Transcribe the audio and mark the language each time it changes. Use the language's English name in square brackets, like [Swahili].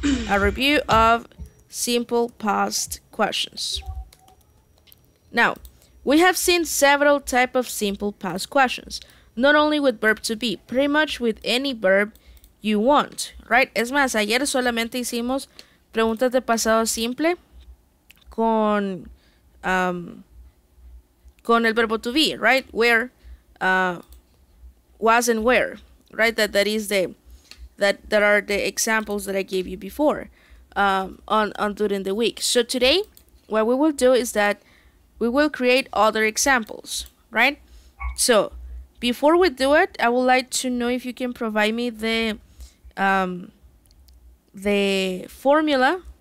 [English] A review of simple past questions. Now, we have seen several type of simple past questions. Not only with verb to be, pretty much with any verb you want, right? [Spanish] Es más, ayer solamente hicimos preguntas de pasado simple con el verbo to be, right? [English] Where, was and where, right? That are the examples that I gave you before on during the week. So today, what we will do is that we will create other examples, right? So before we do it, I would like to know if you can provide me the formula.